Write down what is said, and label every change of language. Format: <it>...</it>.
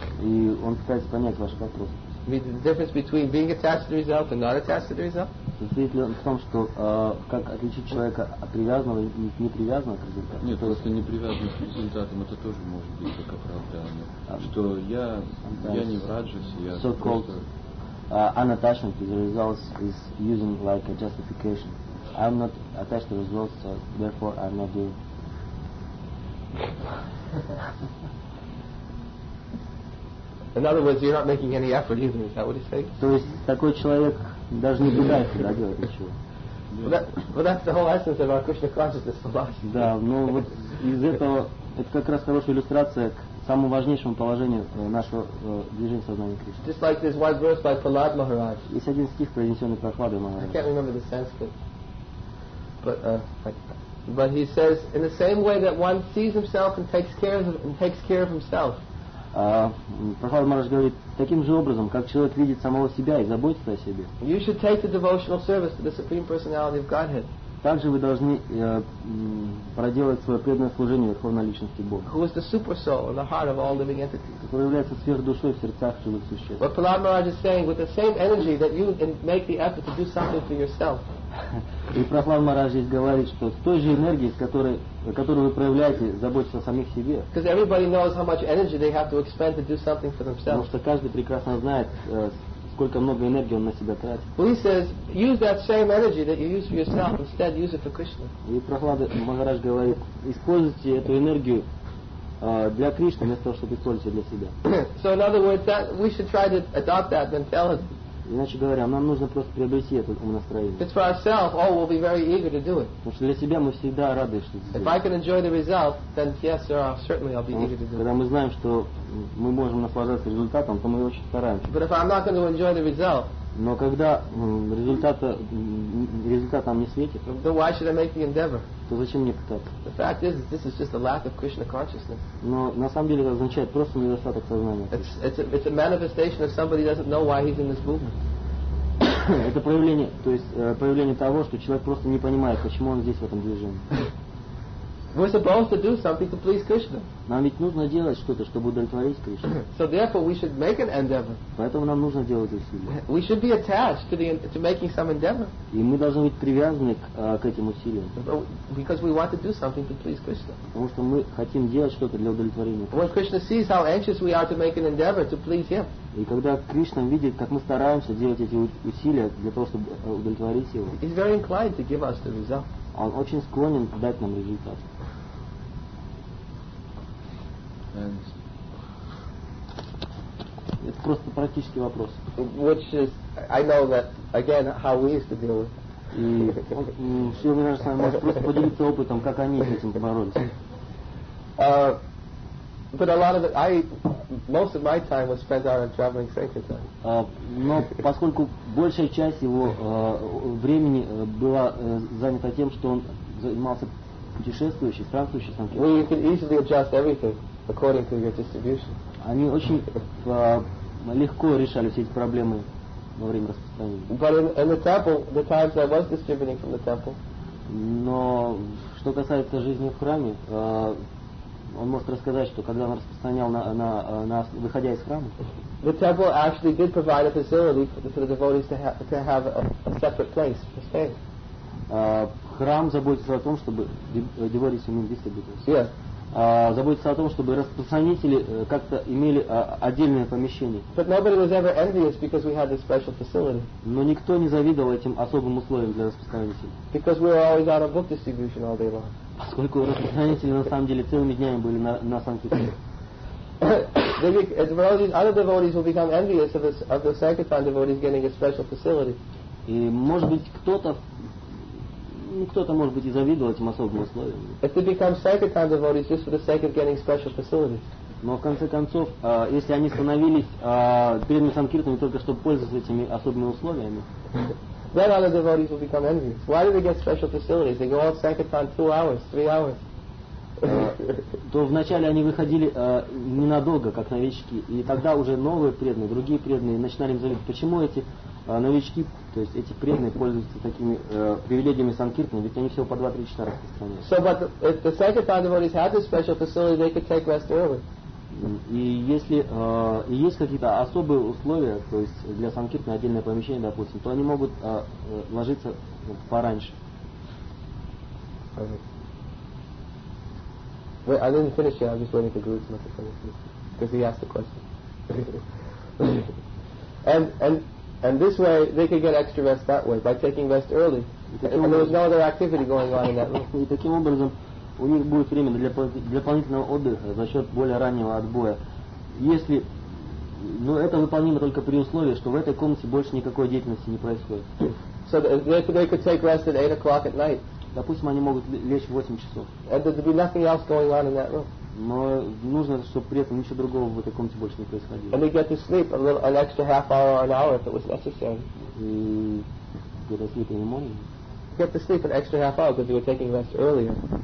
<ru>И он пытается понять ваш вопрос.</ru> <en>The difference between being attached to the result and not attached to the result?</en> <ru>Состоит ли он в том, что как отличить человека от привязанного и непривязанного к результату? Нет, просто непривязанность к результатам это тоже может быть как оправдание. Что я не в раджасе, я</ru> <en>so-called unattached to the results is using like a justification. I'm not attached to the results, so therefore I'm not doing. In other words, you're not making any effort either, is that what he's saying?</en> <ru>То есть такой человек даже не пытается да, делать ничего.</ru> <en>But that's the whole essence of our Krishna consciousness philosophy.</en> <ru>Да, ну вот из этого, это как раз хорошая иллюстрация к самому важнейшему положению нашего движения сознания Кришны.</ru> <en>Just like this one verse by Prahlad Maharaj.</en> <ru>Есть один стих, произнесенный Прахладой Махараджем.</ru> <en>I can't remember the Sanskrit. But he says, in the same way that one sees himself and takes care of himself,</en> <ru>Прохлад Мараш говорит таким же образом, как человек видит самого себя и заботится о себе.</ru> <en>You should take the devotional service to the Supreme Personality of Godhead.</en> <ru>Также вы должны проделать свое преданное служение Верховной Личности Бога.</ru> <en>Who is the super soul in the heart of all living entities?</en> <ru>Который является сверхдушой в сердцах живых существ.</ru> <en>What Prahlad Maharaj is saying with the same energy that you make the effort to do something for yourself.</en> <ru>И Прохлад Мараш здесь говорит, что с той же энергией, с которой вы проявляете, заботиться о самих себе.</ru> <en>Because everybody knows how much energy they have to expend to do something for themselves.</en> <ru>Потому что каждый прекрасно знает, сколько много энергии он на себя тратит.</ru> <en>Well, he says, use that same energy that you use for yourself, instead use it for Krishna.</en> <ru>И Прохлад Мараш говорит, используйте эту энергию для Кришны, вместо того, чтобы использовать для себя.</ru> <en>So in other words, that we should try to adopt that mentality.</en> <ru>Иначе говоря, нам нужно просто приобрести это такое настроение.</ru> <en>It's for ourselves. Oh, we'll be very eager to do it.</en> <ru>Потому что для себя мы всегда рады, что это.</ru> <en>If I can enjoy the result, then yes, sir, certainly I'll be eager to do it.</en> <ru>Когда мы знаем, что мы можем наслаждаться результатом, то мы очень стараемся.</ru> <en>But if I'm not going to enjoy the result,</en> <ru>но когда результат нам не светит,</ru> <en>then why should I make the endeavor?</en> <ru>То зачем мне пытаться?</ru> <en>The fact is, this is just a lack of Krishna consciousness.</en> <ru>Но на самом деле это означает просто недостаток сознания.</ru> <en>It's a manifestation of somebody doesn't know why he's in this movement.</en> <ru>Это проявление, то есть проявление того, что человек просто не понимает, почему он здесь в этом движении.</ru> <en>We're supposed to do something to please Krishna.</en> <ru>Нам ведь нужно делать что-то, чтобы удовлетворить Кришну.</ru> <en>So therefore, we should make an endeavor.</en> <ru>Поэтому нам нужно делать усилия.</ru> <en>We should be attached to making some endeavor.</en> <ru>И мы должны быть привязаны к этим усилиям.</ru> <en>Because we want to do something to please Krishna.</en> <ru>Потому что мы хотим делать что-то для удовлетворения</ru> <en>Кришны. When Krishna sees how anxious we are to make an endeavor to please Him.</en> <ru>И когда Кришна видит, как мы стараемся делать эти усилия для того, чтобы удовлетворить Его.</ru> <en>He's very inclined to give us the result.</en> <ru>Он очень склонен дать нам результат.</ru> <en>And</en> <ru>это просто практический вопрос.</ru> <en>Which is, I know that again how we used to deal with.</en> <ru>И все время с вами может просто поделиться опытом, как они с этим боролись.</ru> <en>But a lot of most of my time was spent out on traveling Sankirtan.</en> <ru>Но поскольку большая часть его времени была занята тем, что он занимался путешествующий, странствующий Sankirtan.</ru> <en>Well, you can easily adjust everything according to your distribution.</en> <ru>Они очень легко решали все эти проблемы во время распространения.</ru> <en>But in the temple, the times I was distributing from the temple.</en> <ru>Но что касается жизни в храме, он может рассказать, что когда он распространял на выходя из храма.</ru> <en>The temple actually did provide a facility for the devotees to have a separate place for staying.</en> <ru>Храм заботится о том, чтобы</ru> <en>devotees</en> <ru>имели</ru> <en>distributors. Yes.</en> <ru>Заботиться о том, чтобы распространители как-то имели отдельное помещение.</ru> <en>But nobody was ever envious because we had this special facility.</en> <ru>Но никто не завидовал этим особым условиям для распространителей.</ru> <en>Because we were always out of book distribution all day long.</en> <ru>Поскольку распространители на самом деле целыми днями были на</ru> <en>Санкт-Петербурге. Other devotees will become envious of the Sankirtan devotees getting a special facility.</en> <ru>И может быть кто-то может быть и завидовал этим особым условиям.</ru> <en>If they become Sankirtan devotees just for the sake of getting special facilities.</en> <ru>Но в конце концов, если они становились преданными Санкиртами только чтобы пользоваться этими особыми условиями.</ru> <en>Then other devotees will become envious. Why do they get special facilities? They go out Sankirtan 2 hours, 3 hours.</en> <ru>То вначале они выходили ненадолго, как новички, и тогда уже новые преданные, другие преданные начинали им завидовать. Почему эти новички, то есть эти преданные, пользуются такими привилегиями санкиртами, ведь они всего по 2-3 часа распространяются.</ru> <en>So, but if the Sankirtan devotees had this special facility, they could take rest early.</en> <ru>И если есть какие-то особые условия, то есть для санкирты отдельное помещение, допустим, то они могут ложиться пораньше.</ru> <en>Wait, I didn't finish yet. I'm just waiting for Guru to make a comment because he asked the question. and this way they could get extra rest that way by taking rest early. And there was no other activity going on in that room.</en> <ru>И таким образом у них будет время для дополнительного отдыха за счет более раннего отбоя. Если, но это выполнимо только при условии, что в этой комнате больше никакой деятельности не происходит.</ru> <en>So they could take rest at 8 o'clock at night.</en> <ru>Допустим, они могут лечь в 8 часов.</ru> <en>And there'd be nothing else going on in that room.</en> <ru>Но нужно, чтобы при этом ничего другого в этой комнате больше не происходило.</ru> <en>And they get to sleep a little, an extra half hour or an hour if it was necessary. Get to sleep in the morning. Get to sleep an extra half hour because you were taking rest earlier.</en>